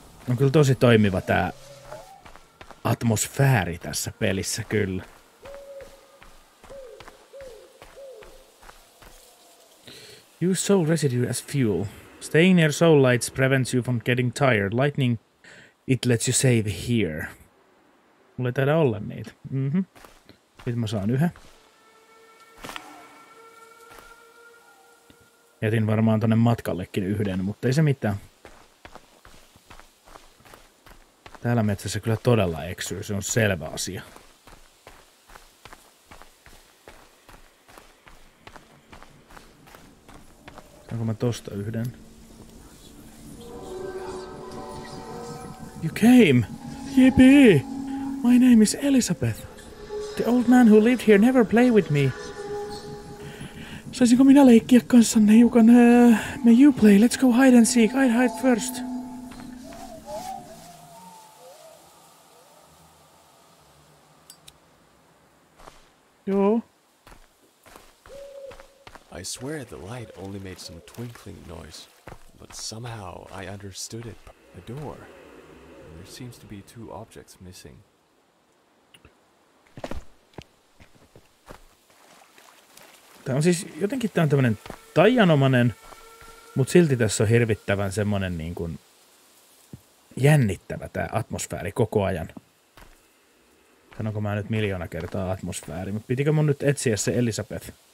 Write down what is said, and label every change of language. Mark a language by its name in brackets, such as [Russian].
[Finnish] On kyllä tosi toimiva tää atmosfääri tässä pelissä, kyllä. [English] Use soul residue as fuel. Staying near soul lights prevents you from getting tired. Lightning, it lets you save here. [Finnish] Mulla ei taida olla niitä. Mhm. Nyt mä saan yhä. Jätin varmaan tonne matkallekin yhden, mutta ei se mitään. Täällä metsässä kyllä todella eksyy, se on selvä asia. Saanko mä tosta yhden? [English] You came! Yippee! My name is Elizabeth. The old man who lived here never played with me. [Finnish] Saisinko minä leikkiä kanssanne, hiukan? [English] May you play? Let's go hide and seek. I'd hide first. [Finnish] Joo. [English] I swear the light only made some twinkling noise. But somehow I understood it. A door. There seems to be two objects missing. [Finnish] Tämä on siis jotenkin tämä on tämmöinen taianomainen, mutta silti tässä on hirvittävän semmoinen niin kuin jännittävä tämä atmosfääri koko ajan. Sanonko mä nyt miljoona kertaa atmosfääri, mutta pitikö mun nyt etsiä se Elisabeth?